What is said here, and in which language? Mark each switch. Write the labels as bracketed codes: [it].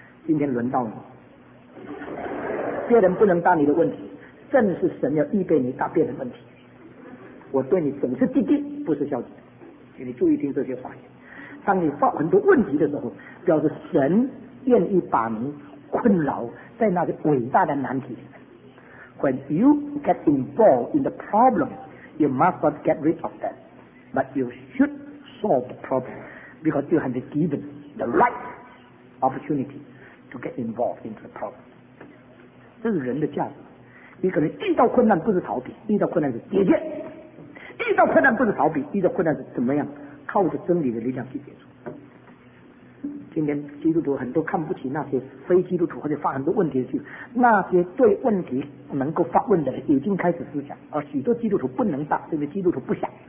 [zh] 今天轮到你，别人不能答你的问题，正是神要预备你答别人的问题。我对你总是滴滴，不是消极，请你注意听这些话语。当你发很多问题的时候，表示神愿意把你困扰在那个伟大的难题里面。 [en] When you get involved in the problem, you must not get rid of that, but you should solve the problem because you have been given the right opportunity to get involved into the problem. [zh] 这是人的价值。一个人遇到困难不是逃避，遇到困难是解决。遇到困难不是逃避，遇到困难是怎么样？靠着真理的力量去解决。今天基督徒很多看不起那些非基督徒或者发很多问题的去，那些对问题能够发问的人已经开始思想，而许多基督徒不能答，因为基督徒不想。